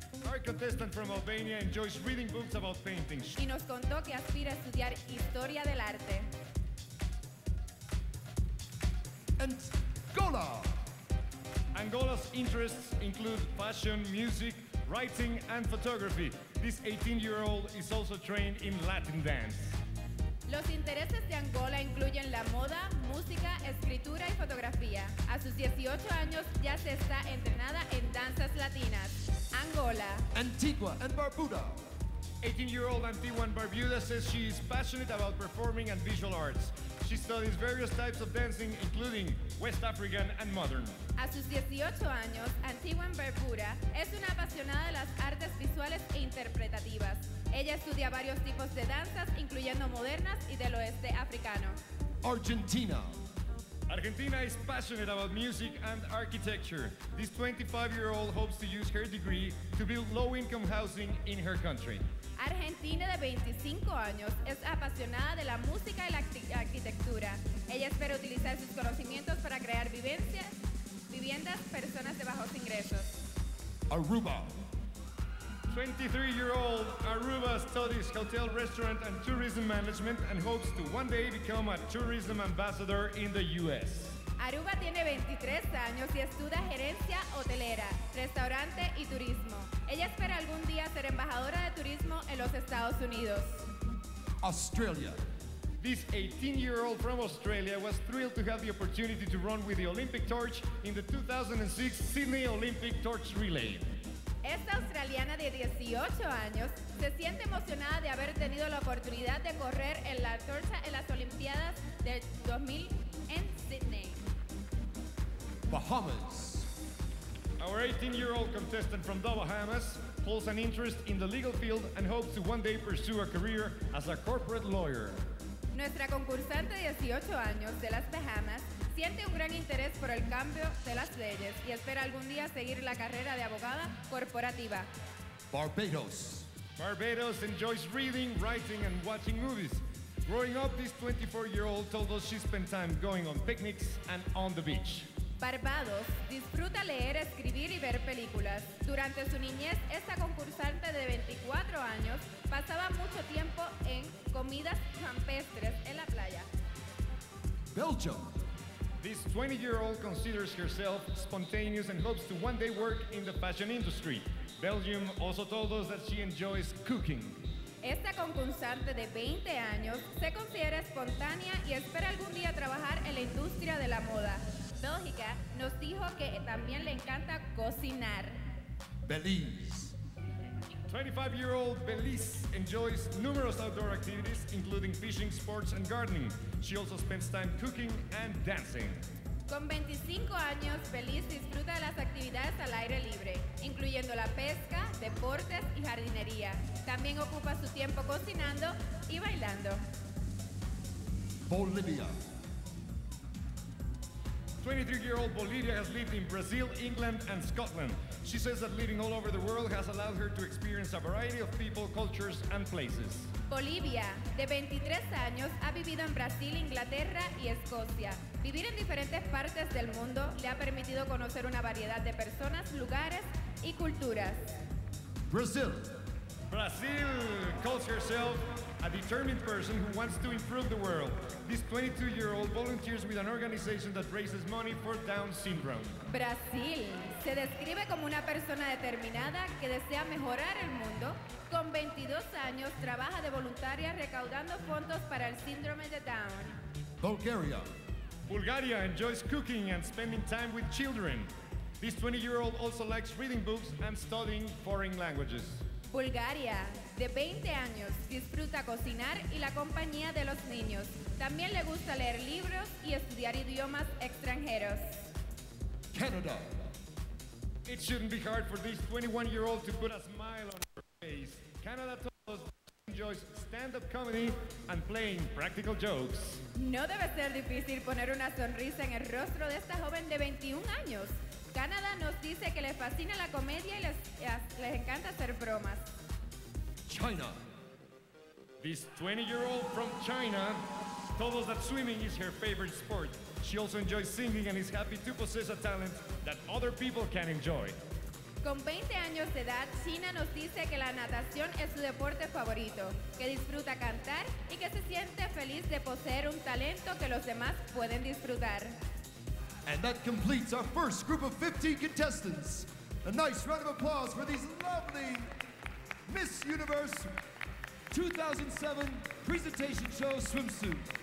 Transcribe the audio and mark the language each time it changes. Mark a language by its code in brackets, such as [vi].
[en] Our contestant from Albania enjoys reading books about paintings. [es] Y nos contó que aspira a estudiar historia del arte. [en] Angola. Angola's interests include fashion, music, writing, and photography. This 18-year-old is also trained in Latin dance. [es] Los intereses de Angola incluyen la moda, música, escritura y fotografía. A sus 18 años ya se está entrenada en danzas latinas. Angola. [en] Antigua and Barbuda. 18-year-old Antiguan Barbuda says she is passionate about performing and visual arts. She studies various types of dancing, including West African and modern. [es] A sus 18 años, Antiguan Barbuda es una apasionada de las artes visuales e interpretativas. Ella estudia varios tipos de danzas, incluyendo modernas y del oeste africano. [en] Argentina. Argentina is passionate about music and architecture. This 25-year-old hopes to use her degree to build low-income housing in her country. [es] Argentina, de 25 años, es apasionada de la música y la arquitectura. Ella espera utilizar sus conocimientos para crear viviendas, personas de bajos ingresos. [en] Aruba. 23-year-old Aruba studies hotel, restaurant, and tourism management and hopes to one day become a tourism ambassador in the U.S. [es] Aruba tiene 23 años y estudia gerencia hotelera, restaurante y turismo. Ella espera algún día ser embajadora de turismo en los Estados Unidos. [en] Australia. This 18-year-old from Australia was thrilled to have the opportunity to run with the Olympic torch in the 2006 Sydney Olympic torch relay. [es] Esta australiana de 18 años se siente emocionada de haber tenido la oportunidad de correr en la torcha en las Olimpiadas del 2000 en Sydney. [en] Bahamas. Our 18-year-old contestant from the Bahamas holds an interest in the legal field and hopes to one day pursue a career as a corporate lawyer. [es] Nuestra concursante de 18 años de las Bahamas siente un gran interés por el cambio de las leyes y espera algún día seguir la carrera de abogada corporativa. [en] Barbados. Barbados enjoys reading, writing, and watching movies. Growing up, this 24-year-old told us she spent time going on picnics and on the beach. [es] Barbados disfruta leer, escribir y ver películas. Durante su niñez, esta concursante de 24 años pasaba mucho tiempo en comidas campestres en la playa. [en] Belgium. This 20-year-old considers herself spontaneous and hopes to one day work in the fashion industry. Belgium also told us that she enjoys cooking. [es] Esta concursante de 20 años se considera espontánea y espera algún día trabajar en la industria de la moda. Bélgica nos dijo que también le encanta cocinar. [en] Belize. 25-year-old Belize enjoys numerous outdoor activities, including fishing, sports, and gardening. She also spends time cooking and dancing. [es] Con 25 años, Belize disfruta de las actividades al aire libre, incluyendo la pesca, deportes y jardinería. También ocupa su tiempo cocinando y bailando. [en] Bolivia. 23-year-old Bolivia has lived in Brazil, England, and Scotland. She says that living all over the world has allowed her to experience a variety of people, cultures, and places. [es] Bolivia, de 23 años, ha vivido en Brasil, Inglaterra y Escocia. Vivir en diferentes partes del mundo le ha permitido conocer una variedad de personas, lugares y culturas. [en] Brazil. Brazil calls herself a determined person who wants to improve the world. This 22-year-old volunteers with an organization that raises money for Down syndrome. [es] Brasil se describe como una persona determinada que desea mejorar el mundo. Con 22 años, trabaja de voluntaria recaudando fondos para el síndrome de Down. [en] Bulgaria. Bulgaria enjoys cooking and spending time with children. This 20-year-old also likes reading books and studying foreign languages. [es] Bulgaria, de 20 años, disfruta cocinar y la compañía de los niños. También le gusta leer libros y estudiar idiomas extranjeros. [en] Canada. It shouldn't be hard for this 21-year-old to put a smile on her face. Canada told us that she enjoys stand-up comedy and playing practical jokes. [es] No debe ser difícil poner una sonrisa en el rostro de esta joven de 21 años. Canadá nos dice que les fascina la comedia y les encanta hacer bromas. [en] China. This 20-year-old from China told us that swimming is her favorite sport. She also enjoys singing and is happy to possess a talent that other people can enjoy. [es] Con 20 años de edad, China nos dice que la natación es su deporte favorito, que disfruta cantar y que se siente feliz de poseer un talento que los demás pueden disfrutar. [en] And that completes our first group of 15 contestants. A nice round of applause for these lovely Miss Universe 2007 presentation show swimsuits.